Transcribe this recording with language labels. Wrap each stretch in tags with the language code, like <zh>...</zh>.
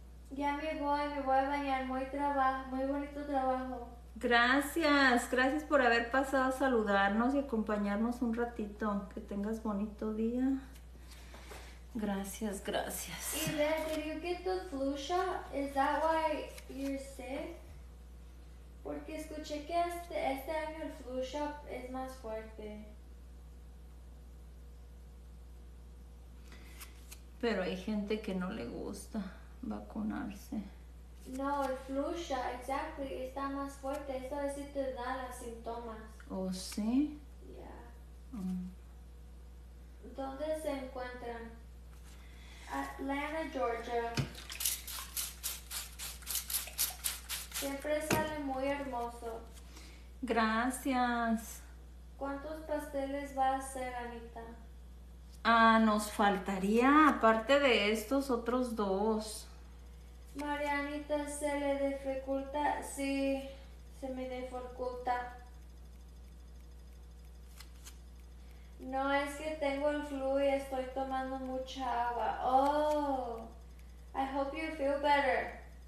<es>Ya me voy a bañar, muy bonito trabajo. Gracias, gracias por haber pasado a saludarnos y acompañarnos un ratito. Que tengas bonito día. Gracias, gracias.</es> <en>Y Dad, did you get the flu shot? Is that why you're sick?</en> <es>Porque escuché que este año el flu shot es más fuerte. Pero hay gente que no le gusta vacunarse. No, el flu shot, exactly, está más fuerte. Eso es si te da los síntomas. Oh, ¿sí? Yeah. ¿Dónde se encuentran? Atlanta, Georgia. Siempre sale muy hermoso. Gracias. ¿Cuántos pasteles va a hacer, Anita? Ah, nos faltaría, aparte de estos, otros dos. Marianita, ¿se le dificulta? Sí, se me dificulta. No, es que tengo el flu y estoy tomando mucha agua.</es> <en>Oh, I hope you feel better.</en>